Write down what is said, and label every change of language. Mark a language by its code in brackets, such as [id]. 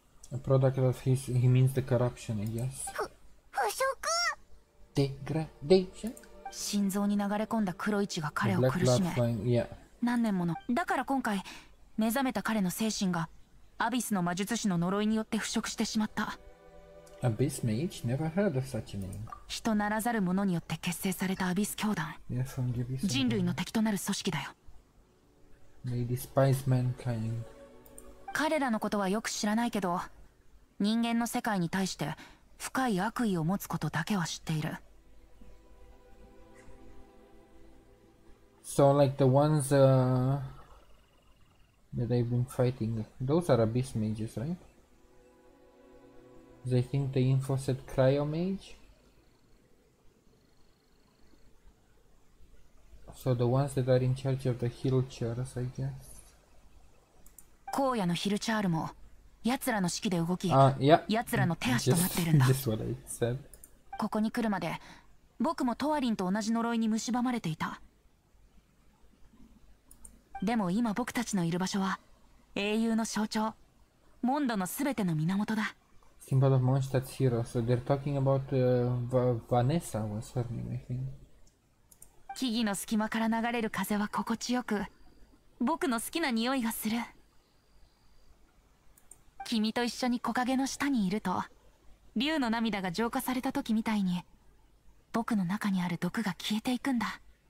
[en] A product of his, he means the corruption, I guess. [ja] 腐食? [en] Degradation? [ja] 心臓に流れ込んだ黒い血が彼を苦しめ、 [en] yeah. [ja] 何年もの。だから今回目覚めた彼の精神がアビスの魔術師の呪いによって腐食してしまった。 [en] Abyss Mage? Never heard of such a name. [ja] 人ならざる者によって結成されたアビス教団。 [en] Yes, I'll give you some. [ja] 人類の敵となる組織だよ。 [en] They despise mankind. [ja] 彼らのことはよく知らないけど、人間の世界に対して深い悪意を持つことだけは知っている。 [en] So like the ones that I've been fighting, those are Abyss Mages, right? I think the info said Cryo Mage. So the ones that are in charge of the Hillchars, I guess. [ja] 荒野のヒルチャールも奴らの指揮で動き、奴らの手足となってるんだ。 [en] Just what I said. [ja] ここに来るまで僕もトワリンと同じ呪いに蝕まれていた。でも今僕たちのいる場所は英雄の象徴、モンドのすべての源だ。 [en] Symbol of Mondstadt's hero. So they're talking about Vanessa was her name, I think. [ja] 木々の隙間から流れる風は心地よく、僕の好きな匂いがする。君と一緒に木陰の下にいると、竜の涙が浄化された時みたいに、僕の中にある毒が消えていくんだ。